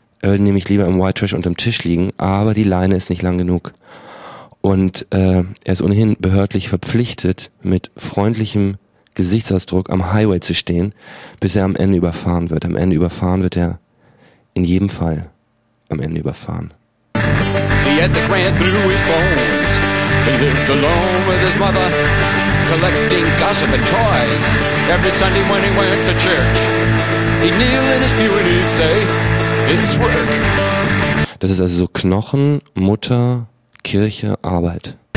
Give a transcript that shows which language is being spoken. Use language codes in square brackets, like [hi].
[de] Er würde nämlich lieber im White Trash unterm Tisch liegen, aber die Leine ist nicht lang genug. Und er ist ohnehin behördlich verpflichtet, mit freundlichem Gesichtsausdruck am Highway zu stehen, bis er am Ende überfahren wird. Am Ende überfahren wird er in jedem Fall am Ende überfahren. [en] The ethic ran through his bones. He lived alone with his mother. collecting gossip and toys. Every Sunday when he went to church, he'd kneel in his pew and he'd say, it's work. [de] Das ist also so Knochen, Mutter, Kirche, Arbeit.